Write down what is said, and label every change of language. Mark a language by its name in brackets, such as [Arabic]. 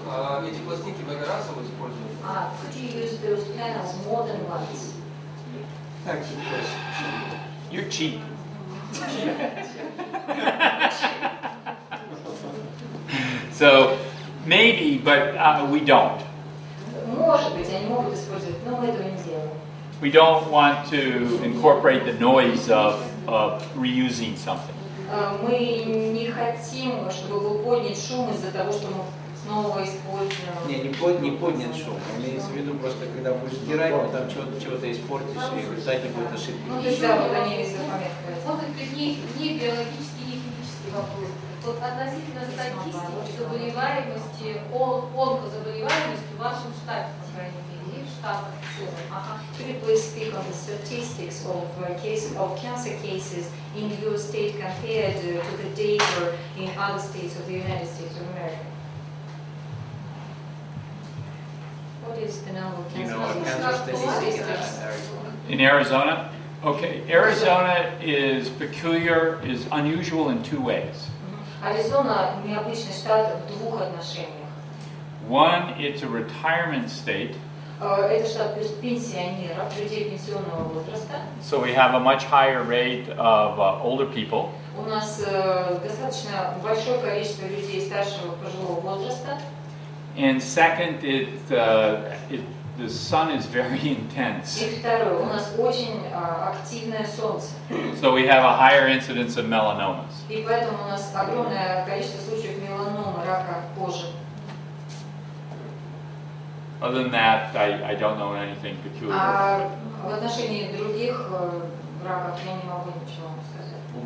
[Russian] А эти пластинки много раз вы используете? [English] Could you use those panels more than once? Thanks. You're cheap. So, maybe. Maybe, but we don't. [Russian] Может быть, они могут использовать, но мы этого не делаем. [English] We don't want to incorporate the noise of reusing something. [Russian] Мы не хотим, чтобы был поднят шум из-за того, что мы снова используем. Не поднят шум. Имеется в виду просто, когда будешь стирать, там чего-то испортишь, и в результате будет ошибка. Ну, то есть, да, вот они весь этот момент говорят. Может быть, не биологический, не химический вопрос. Вот относительно статистики заболеваемости, онкозаболеваемости в вашем штате, по крайней мере. [English] Could you please speak on the statistics of cases of cancer cases in your state compared to the data in other states of the United States of America? What is the number of cancer cases in Arizona? Okay, Arizona is peculiar, is unusual in two ways. [Russian] Arizona – необычный штат в двух отношениях. [English] One, it's a retirement state. [Russian] Это штат пенсионеров, людей пенсионного возраста. [English] So we have a much higher rate of older people. [Russian] У нас достаточно большое количество людей старшего пожилого возраста. [English] And second, the sun is very intense. [Russian] И второе, у нас очень активное солнце. [English] So we have a higher incidence of melanomas. [Russian] И поэтому у нас огромное количество случаев меланомы, рака кожи. [English] Other than that, I don't know anything peculiar. [Russian] В отношении других раков я не могу ничего вам сказать.